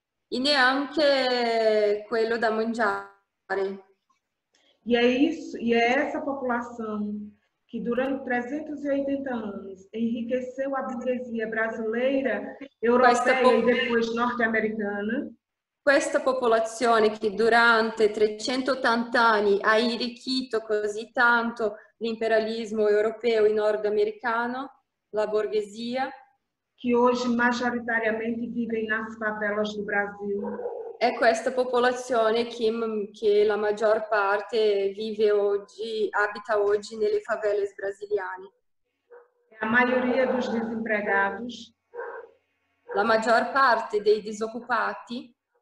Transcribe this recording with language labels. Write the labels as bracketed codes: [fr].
[it] E neanche quello da mangiare. [pt] E é isso, e é essa população que durante 380 anos enriqueceu a burguesia brasileira, europeia e depois norte-americana. [it] Questa popolazione che durante 380 anni ha arricchito così tanto l'imperialismo europeo e nordamericano, la borghesia, [pt] que hoje maggioritariamente vivem nas favelas do Brasil. [it] É questa popolazione che la maggior parte vive oggi, abita oggi nelle favelas brasiliane. [pt] A maioria dos desempregados. [it] La maggior parte dei disoccupati.